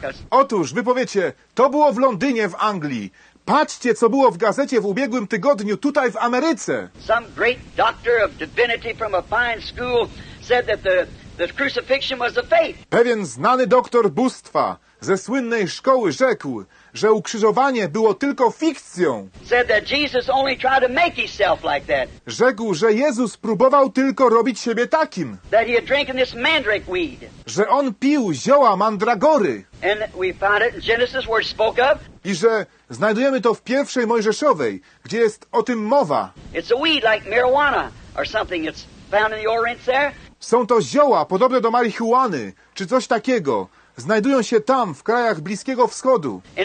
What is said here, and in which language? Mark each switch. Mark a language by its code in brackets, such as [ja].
[pl] Otóż wy powiecie, to było w Londynie, w Anglii. Patrzcie, co było w gazecie w ubiegłym tygodniu tutaj w Ameryce. [en] Some great doctor of divinity from a fine school said that the crucifixion was a faith. [pl] Pewien znany doktor bóstwa ze słynnej szkoły rzekł, że ukrzyżowanie było tylko fikcją. [en] Said that Jesus only tried to make himself like that. [pl] Rzekł, że Jezus próbował tylko robić siebie takim. [en] That he had drinking this mandrake weed. [pl] Że on pił zioła mandragory. [en] And we found it in Genesis where it spoke of. [pl] I że znajdujemy to w pierwszej Mojżeszowej, gdzie jest o tym mowa. [en] It's a weed like marijuana or something. It's found in the Orient there. [pl] Są to zioła podobne do marihuany, czy coś takiego. Znajdują się tam, w krajach Bliskiego Wschodu.